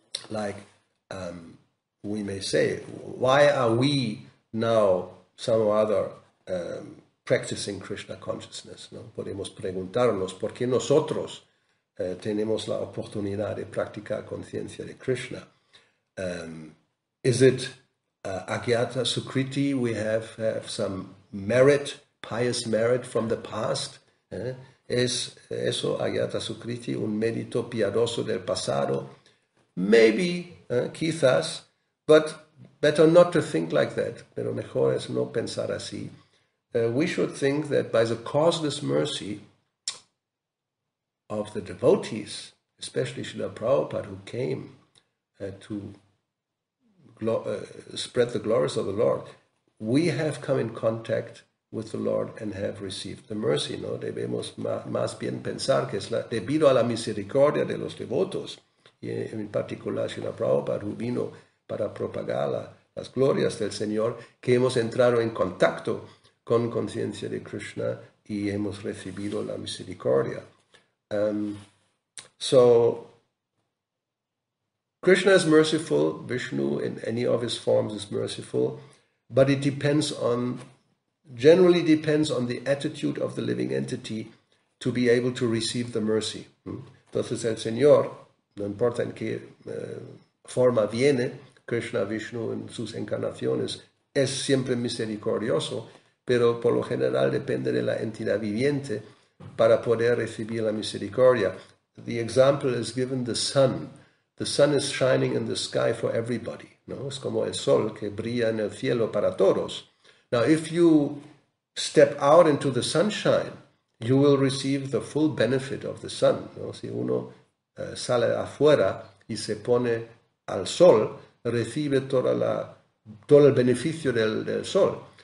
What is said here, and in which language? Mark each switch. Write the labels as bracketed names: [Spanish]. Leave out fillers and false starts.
[English] Like, we may say, why are we now some other practicing Krishna consciousness, ¿no? [Spanish] Podemos preguntarnos, ¿por qué nosotros tenemos la oportunidad de practicar conciencia de Krishna? [English] Is it Agyata Sukriti? We have some merit, pious merit from the past? [Spanish] ¿Es eso Agyata Sukriti, un mérito piadoso del pasado? [English] Maybe, quizás, but better not to think like that. [Spanish] Pero mejor es no pensar así. [English] We should think that by the causeless mercy of the devotees, especially Srila Prabhupada, who came to spread the glories of the Lord, we have come in contact with the Lord and have received the mercy, ¿no? [Spanish] Debemos más bien pensar que es debido a la misericordia de los devotos, y en particular Srila Prabhupada, who vino para propagar las glorias del Señor, que hemos entrado en contacto con conciencia de Krishna y hemos recibido la misericordia. [English] So, Krishna is merciful, Vishnu in any of his forms is merciful, but it depends on, generally depends on the attitude of the living entity to be able to receive the mercy. [Spanish] Entonces el Señor, no importa en qué forma viene, Krishna, Vishnu en sus encarnaciones, es siempre misericordioso. Pero por lo general depende de la entidad viviente para poder recibir la misericordia. [English] The example is given the sun. The sun is shining in the sky for everybody, ¿no? [Spanish] Es como el sol que brilla en el cielo para todos. [English] Now, if you step out into the sunshine, you will receive the full benefit of the sun, ¿no? [Spanish] Si uno sale afuera y se pone al sol, recibe todo el beneficio del sol.